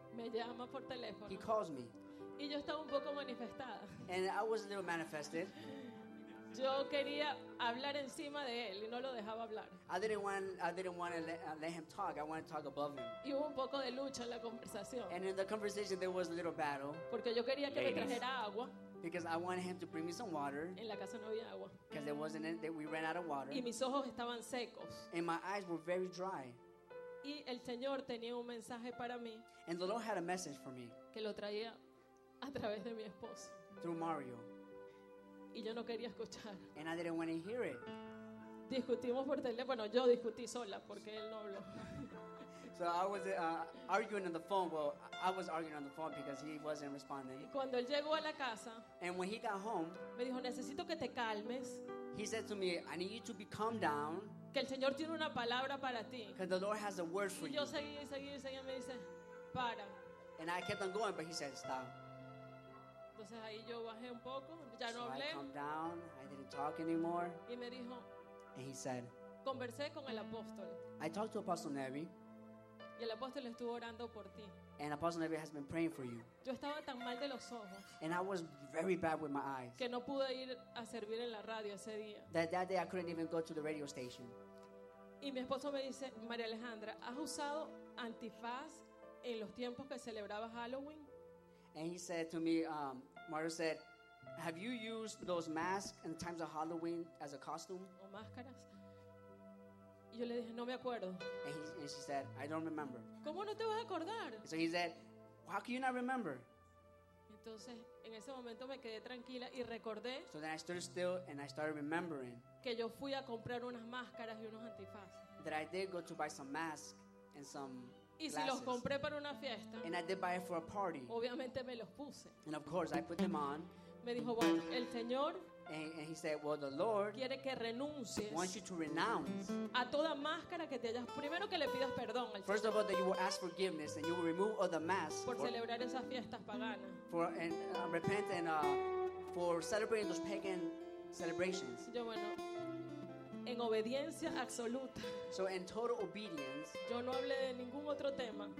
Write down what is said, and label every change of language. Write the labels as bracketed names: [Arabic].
[Spanish] Me llama por teléfono. [English] He calls me. [Spanish] Y yo estaba un poco manifestada. [English] And I was a little manifested. [Spanish] Yo quería hablar encima de él y no lo dejaba hablar. [English] I didn't want to let him talk. I wanted to talk above him. [Spanish] Y hubo un poco de lucha en la conversación. [English] And in the conversation there was a little battle. [Spanish] Porque yo quería que [English] ladies, [Spanish] me trajera agua. [English] Because I wanted him to bring me some water. [Spanish] En la casa no había agua. [English] Because there wasn't any, we ran out of water. [Spanish] Y mis ojos estaban secos. [English] And my eyes were very dry. [Spanish] Y el Señor tenía un mensaje para mí. [English] And the Lord had a message for me. [Spanish] Que lo traía a través de mi esposo. [English] Through Mario. [Spanish] Y yo no quería escuchar. [English] And I didn't want to hear it. [Spanish] Discutimos por teléfono. Yo discutí sola porque él no habló. [English] So I was arguing on the phone. Well, I was arguing on the phone because he wasn't responding. [Spanish] Y cuando él llegó a la casa. [English] And when he got home. [Spanish] Me dijo, necesito que te calmes. [English] He said to me, I need you to be calmed down. [Spanish] Que el Señor tiene una palabra para ti. [English] Because the Lord has a word for you. [Spanish] Y yo seguí, seguí, seguí. Me dice, para. [English] And I kept on going, but he said, stop. [Spanish] Entonces ahí yo bajé un poco, ya [English] so [Spanish] no hablé. [English] I calmed down, I didn't talk anymore. [Spanish] Y me dijo, [English] and he said, [Spanish] conversé con el apóstol. [English] I talked to Apostle Nevi. [Spanish] Y el apóstol estuvo orando por ti. [English] And Apostle Nevi has been praying for you. [Spanish] Yo estaba tan mal de los ojos. [English] And I was very bad with my eyes. [Spanish] Que no pude ir a servir en la radio ese día. [English] That day I couldn't even go to the radio station. [Spanish] Y mi esposo me dice, María Alejandra, ¿has usado antifaz en los tiempos que celebrabas Halloween? [English] And he said to me, Mario said, have you used those masks in times of Halloween as a costume? [Spanish] O máscaras. Y yo le dije, no me acuerdo. [English] And she said, I don't remember. [Spanish] ¿Cómo no te vas a acordar? [English] So he said, how can you not remember? [Spanish] Entonces, en ese momento me quedé tranquila y recordé. [English] So then I stood still and I started remembering. [Spanish] Que yo fui a comprar unas máscaras y unos antifaces. [English] That I did go to buy some masks and some glasses. [Spanish] Y si los compré para una fiesta. [English] And I did buy it for a party. [Spanish] Obviamente me los puse. [English] And of course, I put them on. [Spanish] Me dijo, bueno, el Señor. [English] And he said, well, the Lord [Spanish] quiere que renuncies, [English] wants you to renounce [Spanish] a toda máscara que te hayas, primero que le pidas perdón al [English] first of all that you will ask forgiveness and you will remove all the masks [Spanish] por celebrar esas fiestas paganas [English] for and repent and for celebrating those pagan celebrations. [Spanish] Yo, bueno, en obediencia absoluta, [English] so in total obedience, [Spanish] yo no hablé de ningún otro tema.